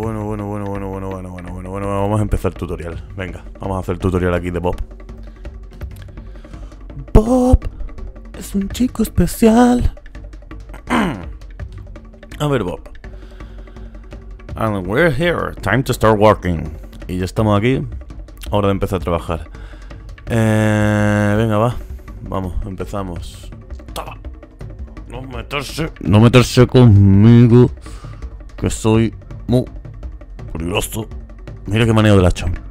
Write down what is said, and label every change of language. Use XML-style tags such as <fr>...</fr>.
<es>Vamos a empezar el tutorial. Venga, vamos a hacer el tutorial aquí de Bob. Bob es un chico especial. A ver, Bob.</es> <en>And we're here, time to start working.</en> <es>Y ya estamos aquí, hora de empezar a trabajar. Venga, va. Vamos, empezamos. ¡Toma! No meterse conmigo, que soy muy curioso. Mira qué manejo del hacha.</es>